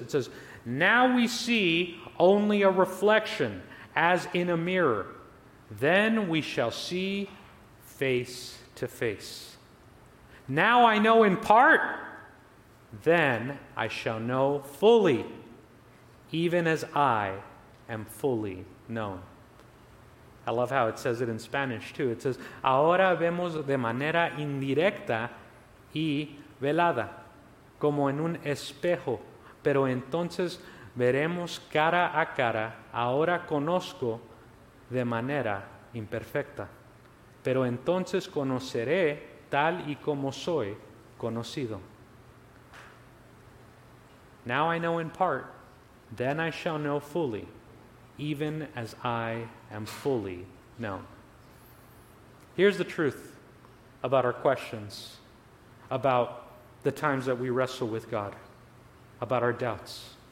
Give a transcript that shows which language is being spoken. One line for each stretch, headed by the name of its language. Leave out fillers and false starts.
English: It says, "Now we see only a reflection, as in a mirror, then we shall see face to face. Now I know in part, then I shall know fully, even as I am fully known." I love how it says it in Spanish too. It says,
Spanish: "Ahora vemos de manera indirecta y velada, como en un espejo, pero entonces veremos cara a cara, ahora conozco de manera imperfecta, pero entonces conoceré tal y como soy conocido."
English: Now I know in part, then I shall know fully, even as I am fully known. Here's the truth about our questions, about the times that we wrestle with God, about our doubts.